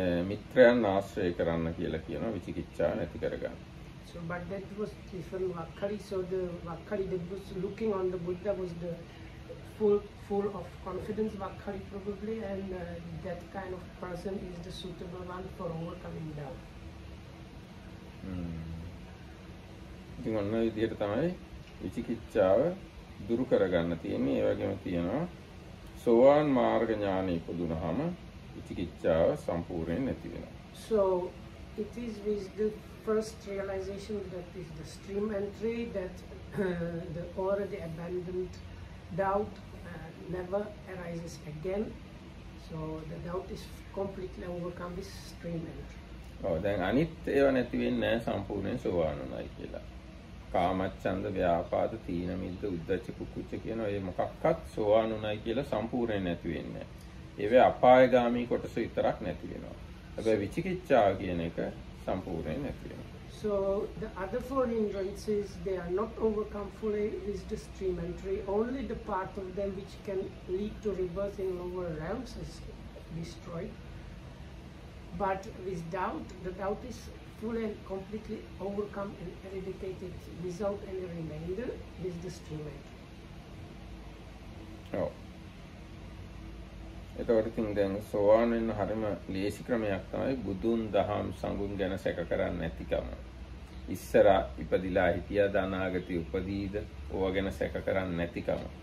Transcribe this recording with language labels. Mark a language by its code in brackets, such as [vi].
[si] මිත්‍රයන් ආශ්‍රය කරන්න කියලා කියන විචිකිච්ඡා නැති කරගන්න. [en] So but that was different Vakkali. So the Vakkali that was looking on the Buddha was the full of confidence Vakkali probably and that kind of person is the suitable one for overcoming doubt. [si] ඉතින් ඔන්න ඔය විදිහට තමයි විචිකිච්ඡාව දුරු කරගන්න තියෙන්නේ. ඒ වගේම තියෙනවා සෝවාන් මාර්ග ඥානෙ ඉපදුනහම විචිකිච්ඡාව සම්පූර්ණයෙන් නැති වෙනවා. [en] So it is with the first realization that is the stream entry that the already abandoned doubt never arises again. So the doubt is completely overcome with stream entry. [si] ඔව් දැන් අනිත් ඒවා නැති වෙන්නේ නැහැ සම්පූර්ණයෙන් සෝවාන් වෙනයි කියලා. කාමච්ඡන්ද ව්‍යාපාද තීන මිද්ධ උද්ධච්ච කුක්කුච්ච කියන ඒ මොකක්වත් සෝවාන් වෙනයි කියලා සම්පූර්ණයෙන් නැති වෙන්නේ නැහැ. ඒවේ අපායගාමී කොටස විතරක් නැති වෙනවා. හැබැයි විචිකිච්ඡාව කියන එක සම්පූර්ණයෙන් නැති වෙනවා. [en] So the other four hindrances they are not overcome fully with the stream entry. Only the part of them which can lead to rebirth in lower realms is destroyed. But with doubt, the doubt is fully and completely overcome and eradicated without any remainder with the stream entry. Oh. [si] එතකොට ඉතින් දැන් සෝවාන් වෙන්න හරිම ලේසි ක්‍රමයක් තමයි බුදුන් දහම් සංගුන් ගැන සැක කරන්නේ නැතිකම. ඉස්සර ඉපදිලා හිටියා දනාගති උපදීද ඕවා ගැන සැක කරන්නේ නැතිකම.